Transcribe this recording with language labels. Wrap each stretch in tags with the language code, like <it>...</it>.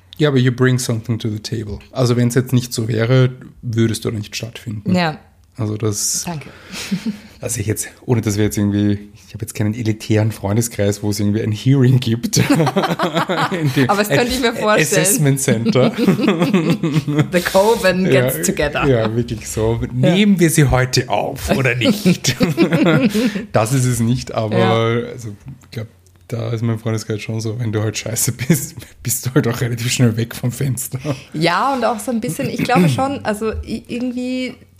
<de>Ja, aber</de> <en>you bring something to the table.</en> <de>Also wenn es jetzt nicht so wäre, würdest du nicht stattfinden. Ja. Also das. Danke. Also ich jetzt, ohne dass wir jetzt irgendwie, ich habe jetzt keinen elitären Freundeskreis, wo es irgendwie ein Hearing gibt. Aber das könnte ich mir vorstellen. Assessment Center.</de> <en>The Coven gets ja, together.</en> <de>Ja, wirklich so. Ja. Nehmen wir sie heute auf oder nicht? Das ist es nicht, aber ja. Also, ich glaube, da ist mein Freundeskreis schon so, wenn du halt scheiße bist, bist du halt auch relativ schnell weg vom Fenster. Ja, und auch so ein bisschen, ich glaube schon, also irgendwie...</de>